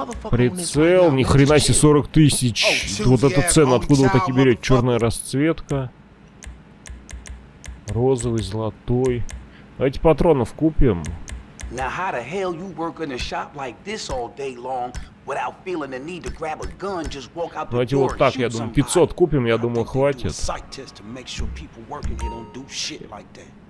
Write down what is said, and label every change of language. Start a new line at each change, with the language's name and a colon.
Russian: Прицел, ни хрена себе, 40 тысяч. Вот эта цена, откуда вы так и берете? Черная расцветка. Розовый, золотой. Давайте патронов купим.
English: Now how the hell you work in a shop like this all day long without feeling the need to grab a gun, just walk out the door and shoot somebody?
Russian: Давайте вот так, я думаю, 500 купим, я думаю, хватит.
English: Psych test to make sure people working here don't do shit like that.